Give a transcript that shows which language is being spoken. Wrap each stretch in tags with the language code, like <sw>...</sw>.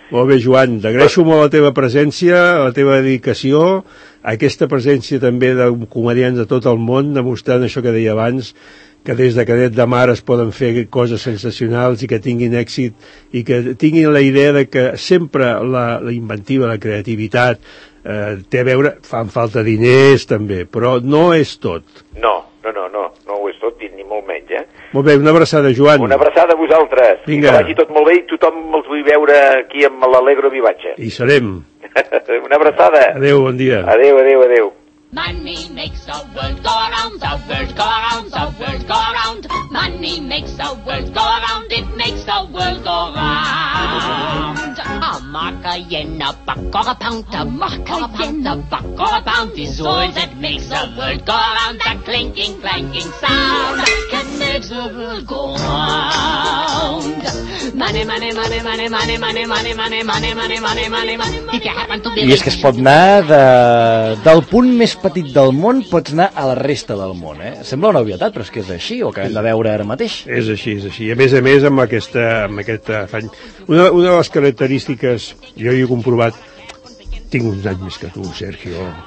<ca>Molt bé, Joan, t'agraeixo molt la teva presència, la teva dedicació, aquesta presència també de comediants de tot el món, demostrant això que deia abans, que des de Canet de Mar es poden fer coses sensacionals i que tinguin èxit, i que tinguin la idea de que sempre la inventiva, la creativitat, té a veure, fan falta diners també, però no és tot. No ho és tot, ni molt menys, eh? Molt bé, una abraçada, Joan. Una abraçada a vosaltres. Vinga. Que vagi tot molt bé i tothom els vull veure aquí amb l'Alegro Vivatge. Hi serem. Una abraçada. Adéu, bon dia. Adéu, adéu, adéu.</ca> <en>Money makes the world go round, the world go round, the world go round. Money makes the world go round, it makes the world go round. A mark, a yen, a buck or a pound, a mark, a yen, a buck or a pound is all that makes the world go round, that clinking, clanking sound can make the world go round. Money, money, money, money, money, money, money, money, money, money, money, money, money, money, money, money, money, money.</en> <ca>I és que es pot anar del punt més petit del món, pots anar a la resta del món, eh? Sembla una obvietat, però és que és així, ho acabem de veure ara mateix. És així, és així. A més, amb aquesta... afany. Una de les característiques, jo hi he comprovat, tinc uns anys més que tu, Sergio.</ca>